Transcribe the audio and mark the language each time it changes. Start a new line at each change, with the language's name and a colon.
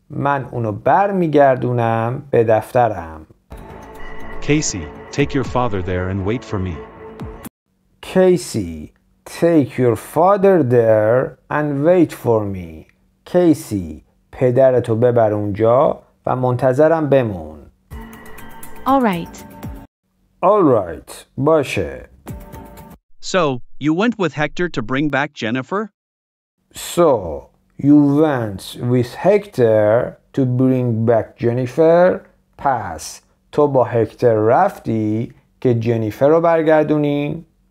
Persian: من اونو بر میگردونم به دفترم.
English: Casey, take your father there and wait for me. Casey, take your father there and wait for me.
Persian: Casey, پدرتو ببر اونجا و منتظرم بمون.
English: All right. All right.
Persian: باشه.
English: So, you went with Hector to bring back Jennifer? So, you went with Hector to bring back Jennifer?
Persian: پس تو با هکتر رفتی که جنیفر رو برگردونی؟